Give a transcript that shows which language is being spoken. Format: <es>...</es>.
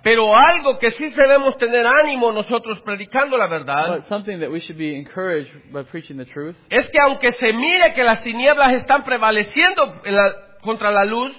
<es>Pero algo que sí debemos tener ánimo nosotros predicando la verdad,</es> <en>but something that we should be encouraged by preaching the truth,</en> <es>es que aunque se mire que las tinieblas están prevaleciendo en la, contra la luz,</es>